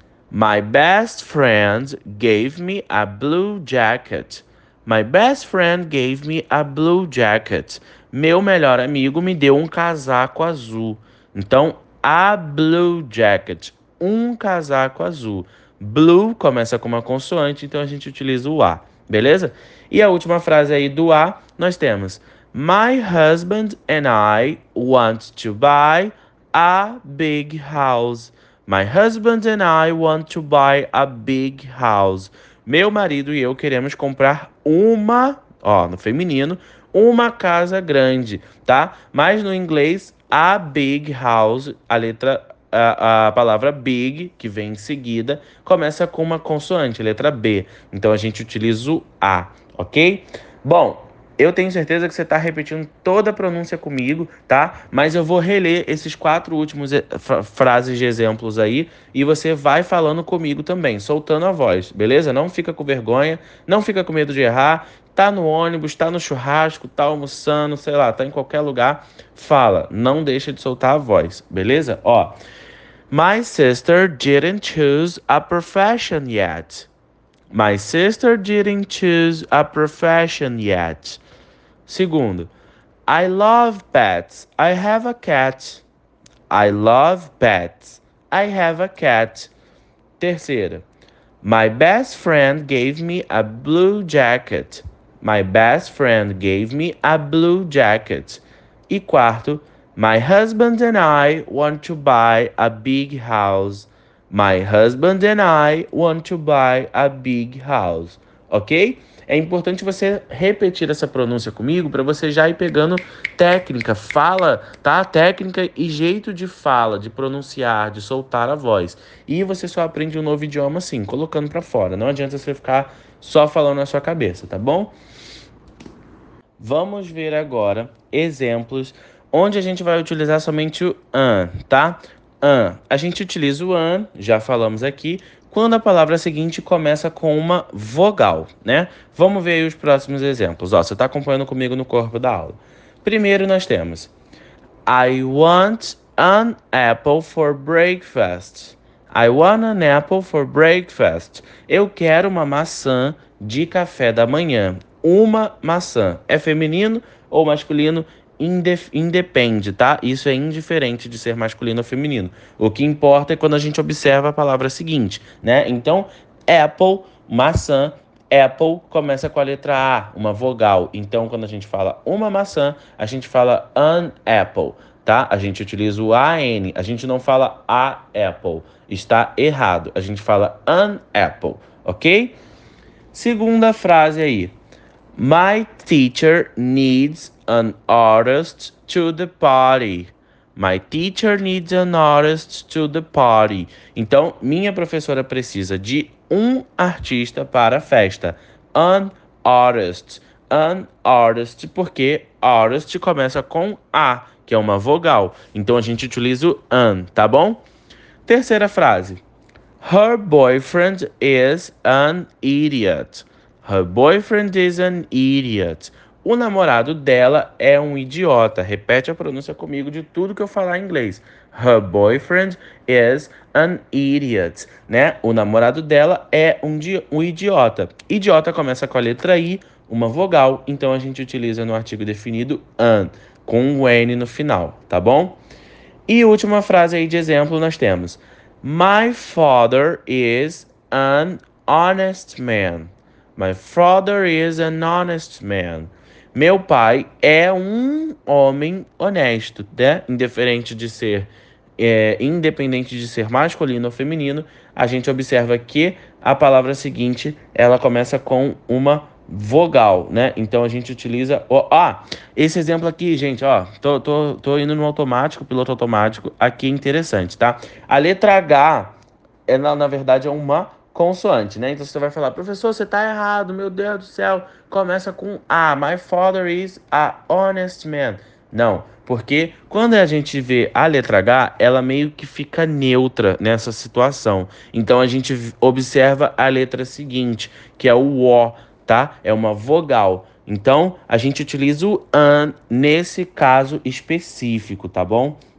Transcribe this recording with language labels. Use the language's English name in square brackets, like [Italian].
[English] My best friend gave me a blue jacket. My best friend gave me a blue jacket. [Portuguese] Meu melhor amigo me deu um casaco azul. Então, [English] a blue jacket, [Portuguese] um casaco azul. Blue começa com uma consoante, então a gente utiliza o A, beleza? E a última frase aí do A, nós temos: [English] My husband and I want to buy a big house. My husband and I want to buy a big house. [Portuguese] Meu marido e eu queremos comprar uma, ó, no feminino, uma casa grande, tá? Mas no inglês, [English] a big house, [Portuguese] a letra, a palavra big, que vem em seguida, começa com uma consoante, a letra B. Então a gente utiliza o A, ok? Bom, eu tenho certeza que você está repetindo toda a pronúncia comigo, tá? Mas eu vou reler esses quatro últimos frases de exemplos aí e você vai falando comigo também, soltando a voz, beleza? Não fica com vergonha, não fica com medo de errar. Tá no ônibus, tá no churrasco, tá almoçando, sei lá, tá em qualquer lugar. Fala, não deixa de soltar a voz, beleza? [English] Ó, my sister didn't choose a profession yet. My sister didn't choose a profession yet. Segundo, I love pets. I have a cat. I love pets. I have a cat. Terceiro, my best friend gave me a blue jacket. My best friend gave me a blue jacket. E quarto, my husband and I want to buy a big house. My husband and I want to buy a big house, ok? [Portuguese] É importante você repetir essa pronúncia comigo para você já ir pegando técnica, fala, tá? Técnica e jeito de fala, de pronunciar, de soltar a voz. E você só aprende um novo idioma assim, colocando para fora. Não adianta você ficar só falando na sua cabeça, tá bom? Vamos ver agora exemplos onde a gente vai utilizar somente o an, tá? An. A gente utiliza o an, já falamos aqui, quando a palavra seguinte começa com uma vogal, né? Vamos ver aí os próximos exemplos. Ó, você está acompanhando comigo no corpo da aula. Primeiro nós temos: [English] I want an apple for breakfast. I want an apple for breakfast. [Portuguese] Eu quero uma maçã de café da manhã. Uma maçã. É feminino ou masculino? Independe, tá? Isso é indiferente de ser masculino ou feminino. O que importa é quando a gente observa a palavra seguinte, né? Então, apple, maçã. Apple começa com a letra A, uma vogal. Então, quando a gente fala uma maçã, a gente fala [English] an apple, [Portuguese] tá? A gente utiliza o AN. A gente não fala [English] a apple. [Portuguese] Está errado. A gente fala [English] an apple, [Portuguese] ok? Segunda frase aí. [English] My teacher needs an artist to the party. My teacher needs an artist to the party. [Portuguese] Então, minha professora precisa de um artista para a festa. [English] An artist. An artist, [Portuguese] porque artist começa com A, que é uma vogal. Então, a gente utiliza o an, tá bom? Terceira frase. [English] Her boyfriend is an idiot. Her boyfriend is an idiot. [Portuguese] O namorado dela é um idiota. Repete a pronúncia comigo de tudo que eu falar em inglês. [English] Her boyfriend is an idiot. [Portuguese] Né? O namorado dela é um idiota. Idiota começa com a letra I, uma vogal. Então a gente utiliza no artigo definido an, com o um N no final, tá bom? E última frase aí de exemplo nós temos: [English] My father is an honest man. My father is an honest man. [Portuguese] Meu pai é um homem honesto, né? Independente de ser, independente de ser masculino ou feminino, a gente observa que a palavra seguinte ela começa com uma vogal, né? Então a gente utiliza o A. Ah, esse exemplo aqui, gente, ó, tô indo no automático, piloto automático. Aqui é interessante, tá? A letra H, ela, na verdade, é uma consoante, né? Então você vai falar: professor, você tá errado, meu Deus do céu. Começa com A. [English] My father is a honest man. [Portuguese] Não, porque quando a gente vê a letra H, ela meio que fica neutra nessa situação. Então a gente observa a letra seguinte, que é o O, tá? É uma vogal. Então a gente utiliza o an nesse caso específico, tá bom?